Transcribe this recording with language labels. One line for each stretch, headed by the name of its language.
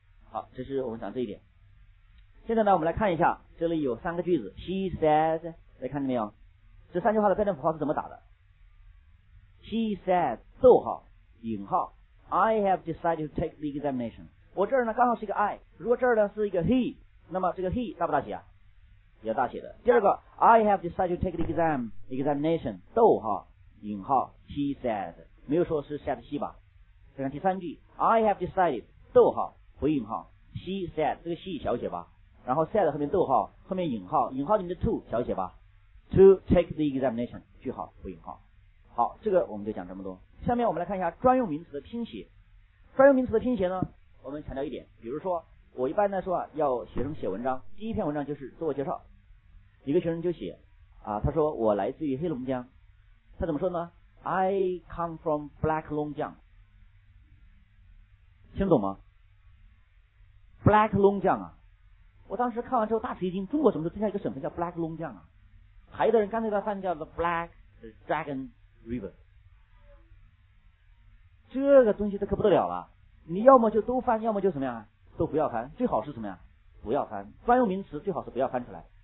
Chinese: 好，这是我们讲这一点。现在呢我们来看一下，这里有三个句子
English: She says，
Chinese: 来看见没有，这三句话的标点符号是怎么打的。
English: She said
Chinese: 逗号引号
English: I have decided to take the examination，
Chinese: 我这儿呢刚好是一个 I， 如果这儿呢是一个 he， 那么这个 he 大不大写啊？也大写的。第二个
English: I have decided to take the examination
Chinese: 逗号引号
English: she said，
Chinese: 没有说是
English: said she
Chinese: 吧。再看第三句
English: I have decided
Chinese: 逗号回引号
English: she said，
Chinese: 这个 she 小写吧，然后 said 后面逗号后面引号，引号里面的 to 小写吧，
English: to take the examination
Chinese: 句号回引号。好，这个我们就讲这么多。下面我们来看一下专用名词的拼写。专用名词的拼写呢，我们强调一点，比如说我一般来说啊，要学生写文章，第一篇文章就是自我介绍。一个学生就写啊，他说我来自于黑龙江，他怎么说呢？
English: I come from Black 龙江，
Chinese: 听懂吗？ Black 龙江啊，我当时看完之后大吃一惊，中国怎么说剩下一个省份叫 Black 龙江啊？还有的人干脆把翻译叫
English: The Black DragonRiver，
Chinese: 这个东西它可不得了了，你要么就都翻，要么就什么呀都不要翻，最好是什么呀不要翻，专用名词最好是不要翻出来。